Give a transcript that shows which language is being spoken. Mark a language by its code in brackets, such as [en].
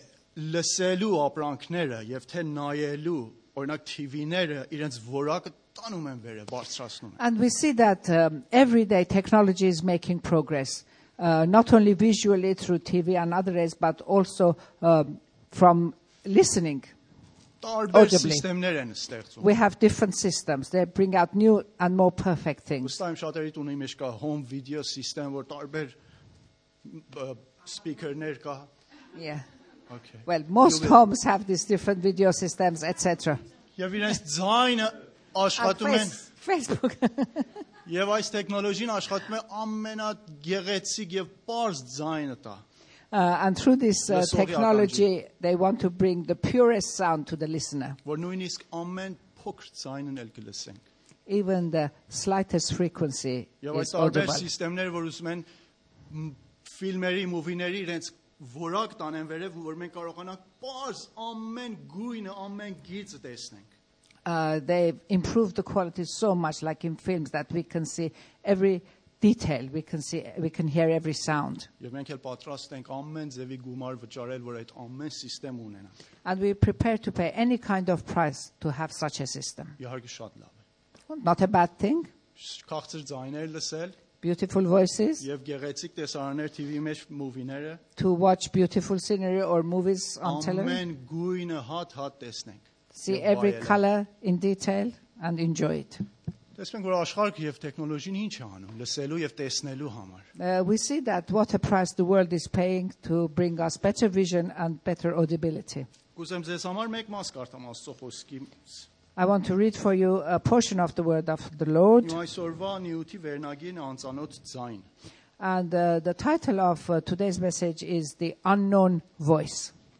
[hy] Լսելու ապրանքները եւ թե նայելու օրինակ TV-ները իրենց որակը տանում են վերը բարձրացնում են. [en] And we see that every day technology is making progress not only visually through TV and other ways but also from listening. [hy] Տարբեր համակարգիչներ են ստեղծում. [en] We have different systems. They bring out new and more perfect things. [hy] Ուստի շատերի տունի մեջ կա [en] home video system, [hy] որ տարբեր speaker-ներ կա. [en] Yeah. Okay. Well, most homes have these different video systems, etc. Facebook. [hy] Եվ այս տեխնոլոգիան աշխատում է ամենագեղեցիկ եւ պարզ ձայնը տա. [en] And through this technology, they want to bring the purest sound to the listener. [hy] Որ նույնիսկ ամեն փոքր ձայնն էլ կլսենք. [en] Even the slightest frequency is audible. [hy] Եվ այս սիստեմներ, որ ուզում են ֆիլմերի, մուվիների իրենց որակ տանեն վերև որ մենք կարողանանք պարզ ամեն գույնը ամեն գիծը տեսնենք. [en] They've improved the quality so much like in films that we can see every detail, we can hear every sound. [hy] Եվ մենք էլ պատրաստ ենք ամեն ձևի գումար վճարել որ այդ ամեն համակարգը ունենա. [en] And we prepare to pay any kind of price to have such a system. [hy] Իհարկե շատ լավ է. [en] Not a bad thing. [hy] Քաղցր ձայներ լսել. [en] Beautiful voices. [hy] Եվ գեղեցիկ տեսարաններ TV-ի մեջ մուվիները. [en] To watch beautiful scenery or movies on television. [hy] Ամեն գույնը հատ-հատ տեսնենք. [en] See every color in detail and enjoy it. [hy] Տեսնենք որ աշխարհը եւ տեխնոլոգիան ինչ է անում լսելու եւ տեսնելու համար. [en] We see that what a price the world is paying to bring us better vision and better audibility. [hy] Գուզեմ ձեզ համար մեկ մաս կարդամ Աստծո խոսքի. [en] I want to read for you a portion of the word of the Lord. And the title of today's message is The Unknown Voice.